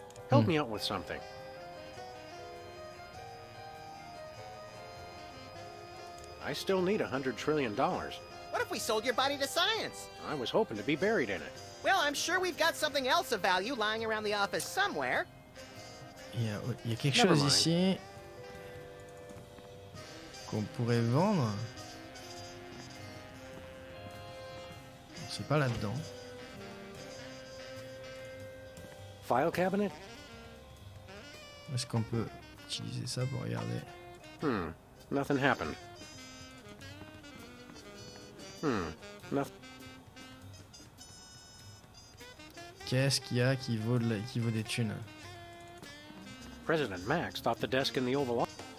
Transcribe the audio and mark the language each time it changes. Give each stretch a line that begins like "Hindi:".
English: Help me out with something. I still need $100 trillion. What if we sold your body to science? I was hoping to be buried in it. Well, I'm sure we've got something else of value lying around the office somewhere.
French: Yeah, y a quelque chose ici qu'on pourrait vendre. C'est pas là-dedans.
English: File cabinet?
French: Est-ce qu'on peut utiliser ça pour regarder?
English: Nothing happened.
French: Qu'est-ce qu'il y a qui vaut des thunes?
English: President Max thought the desk in the Oval Office.